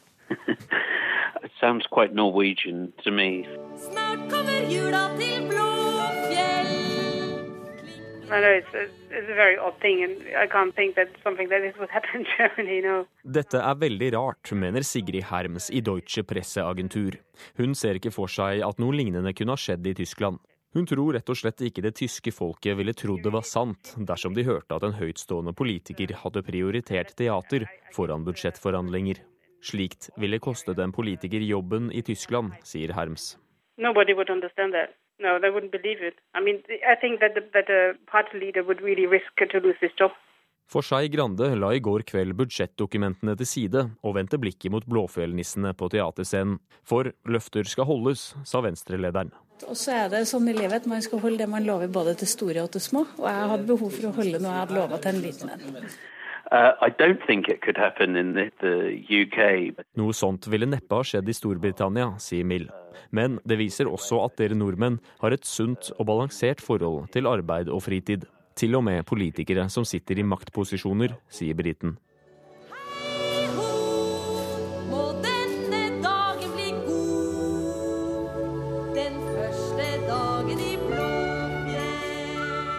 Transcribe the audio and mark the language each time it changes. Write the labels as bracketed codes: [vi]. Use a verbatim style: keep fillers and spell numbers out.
[en] It sounds quite Norwegian to me. [no] Snart kommer jula til Blåfjell. [en] I know it's a, it's a very odd thing and I can't think that something like this would happen in Germany, you know. [no] Dette er veldig rart, mener Sigrid Herms i Deutsche Presseagentur. Hun ser ikke for seg at noe lignende kunne ha skjedd i Tyskland. Hun tror rett og slett ikke det tyske folket ville trodd det var sant dersom de hørte at en høytstående politiker hadde prioritert teater foran budsjettforhandlinger. Slikt ville kostet en politiker jobben i Tyskland, sier Herms. [en] Nobody would understand that. No, they wouldn't believe it. I mean, I think that the, that the party leader would really risk to lose his job. [no] For Skei Grande la i går kveld budsjettdokumentene til side og vendte blikket mot blåfjellnissene på teaterscenen. For løfter skal holdes, sa Venstre-lederen. Og så er det sånn i livet at man skal holde det man lover både til store og til små. Og jeg hadde behov for å holde noe jeg hadde lovet til en liten venn. [en] Uh, I don't think it could happen in the U K. [no] Noe sånt ville neppe ha skjedd i Storbritannia, sier Mill. Men det viser også at dere nordmenn har et sunt og balansert forhold til arbeid og fritid. Til og med politikere som sitter i maktposisjoner, sier briten. Hei ho, må denne dagen bli god, den første dagen i Blåfjell.